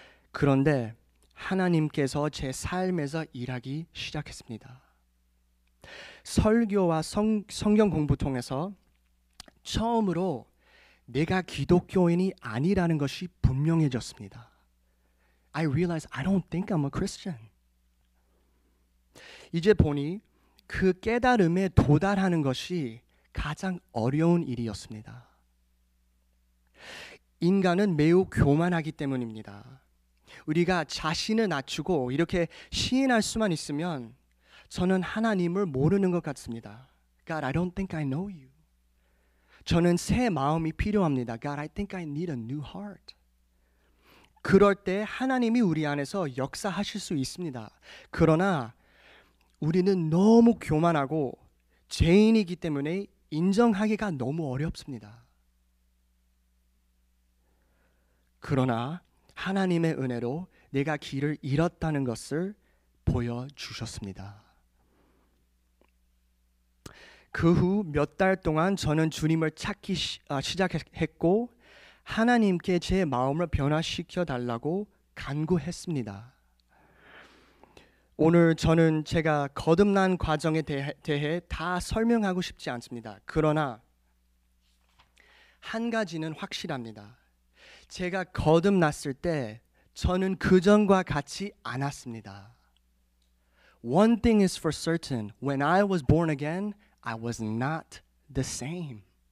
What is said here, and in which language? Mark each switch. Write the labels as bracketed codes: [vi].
[ko] 그런데 하나님께서 제 삶에서 일하기 시작했습니다. 설교와 성경 공부 통해서 처음으로 내가 기독교인이 아니라는 것이 분명해졌습니다. [en] I realize I don't think I'm a Christian. [ko] 이제 보니 그 깨달음에 도달하는 것이 가장 어려운 일이었습니다. 인간은 매우 교만하기 때문입니다. 우리가 자신을 낮추고 이렇게 시인할 수만 있으면 저는 하나님을 모르는 것 같습니다. [en] God, I don't think I know you. [ko] 저는 새 마음이 필요합니다. [en] God, I think I need a new heart. [ko] 그럴 때 하나님이 우리 안에서 역사하실 수 있습니다. 그러나 우리는 너무 교만하고 죄인이기 때문에 인정하기가 너무 어렵습니다. 그러나 하나님의 은혜로 내가 길을 잃었다는 것을 보여주셨습니다. 그 후 몇 달 동안 저는 주님을 찾기 시작했고 하나님께 제 마음을 변화시켜 달라고 간구했습니다. 오늘 저는 제가 거듭난 과정에 대해 다 설명하고 싶지 않습니다. 그러나 한 가지는 확실합니다. 제가 거듭났을 때 저는 그전과 같이 않았습니다. [en] One thing is for certain, when I was born again, I was not the same.